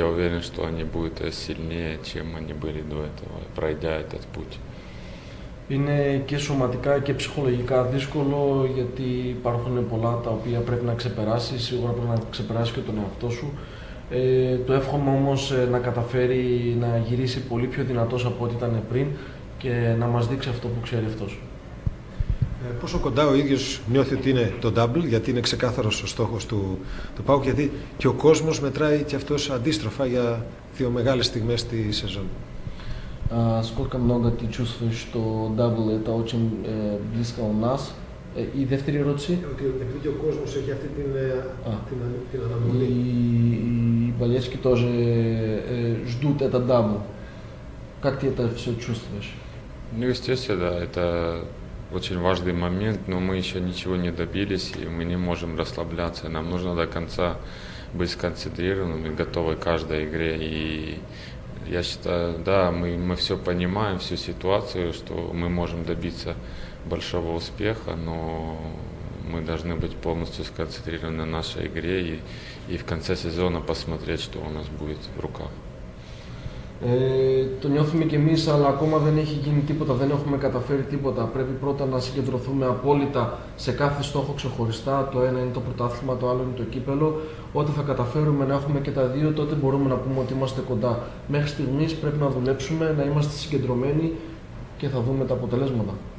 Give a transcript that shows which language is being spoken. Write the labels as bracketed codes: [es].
[ru] Я уверен, что они будут сильнее, чем они были до этого, пройдя этот путь. [el] Είναι και σωματικά και ψυχολογικά δύσκολο, γιατί υπάρχουν πολλά τα οποία πρέπει να ξεπεράσεις, σίγουρα πρέπει να ξεπεράσεις και τον εαυτό σου. Το εύχομαι όμως να καταφέρει να γυρίσει πολύ πιο δυνατός από ό,τι ήταν πριν και να μας δείξει αυτό που ξέρει αυτός. Πόσο κοντά ο ίδιος νιώθει ότι είναι το double, γιατί είναι ξεκάθαρος ο στόχος του, του ΠΑΟΚ, γιατί και ο κόσμος μετράει και αυτός αντίστροφα για δύο μεγάλες στιγμές στη σεζόν. [ru] Сколько много ты чувствуешь, что дабл это очень близко у нас? И вторая вопрос? Ведь у космоса есть эта аномалия. И болельщики тоже ждут этот дабл. Как ты это все чувствуешь? Ну, естественно, да, это очень важный момент, но мы еще ничего не добились, и мы не можем расслабляться. Нам нужно до конца быть сконцентрированными, готовы к каждой игре. И я считаю, да, мы все понимаем, всю ситуацию, что мы можем добиться большого успеха, но мы должны быть полностью сконцентрированы на нашей игре и в конце сезона посмотреть, что у нас будет в руках. [el] Το νιώθουμε και εμείς, αλλά ακόμα δεν έχει γίνει τίποτα, δεν έχουμε καταφέρει τίποτα. Πρέπει πρώτα να συγκεντρωθούμε απόλυτα σε κάθε στόχο ξεχωριστά. Το ένα είναι το πρωτάθλημα, το άλλο είναι το κύπελο. Όταν θα καταφέρουμε να έχουμε και τα δύο, τότε μπορούμε να πούμε ότι είμαστε κοντά. Μέχρι στιγμής πρέπει να δουλέψουμε, να είμαστε συγκεντρωμένοι και θα δούμε τα αποτελέσματα.